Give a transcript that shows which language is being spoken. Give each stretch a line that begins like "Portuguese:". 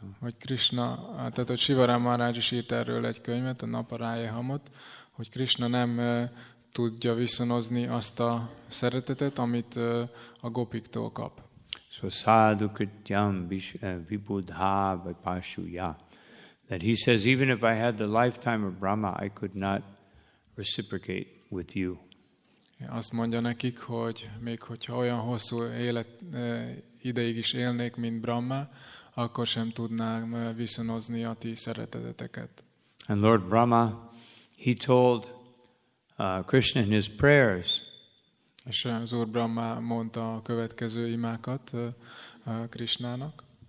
Hungarian: Hogy Krishna, tehát hogy Shivaram Maharaj is írt erről egy könyvet, a Naparayayamot, hogy Krishna nem tudja viszonozni azt a szeretetet, amit a gopiktól kap.
Sanskrit: So sadhu krityam vibudha vipashuya.
English: That he says, even if I had the lifetime of Brahma, I could not reciprocate with you.
Hungarian: Azt mondja nekik, hogy még hogyha olyan hosszú élet ideig is élnék, mint Brahma, akkor sem tudnám viszonozni a ti szereteteteket.
English: And Lord Brahma, he told Krishna in his prayers.
Hungarian: És az Úr Brahma mondta a következő imákat Krishnának.